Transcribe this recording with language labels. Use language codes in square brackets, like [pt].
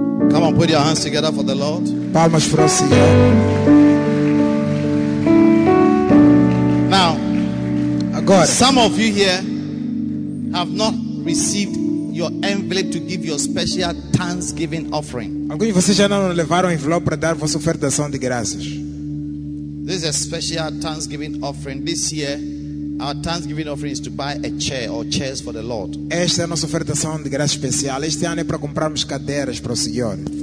[en] Come on, put your hands together for the Lord. [pt] Palmas para o Senhor. [en] Now, [pt] agora, [en] some of you here have not received your envelope to give your special Thanksgiving offering. [pt] Alguns de vocês já não levaram o envelope para dar vossa oferta de graças. [en] This is a special Thanksgiving offering. This year, our Thanksgiving offering is to buy a chair or chairs for the Lord. [pt] Esta é a nossa oferta de graça especial. Este ano é para comprarmos cadeiras para o Senhor.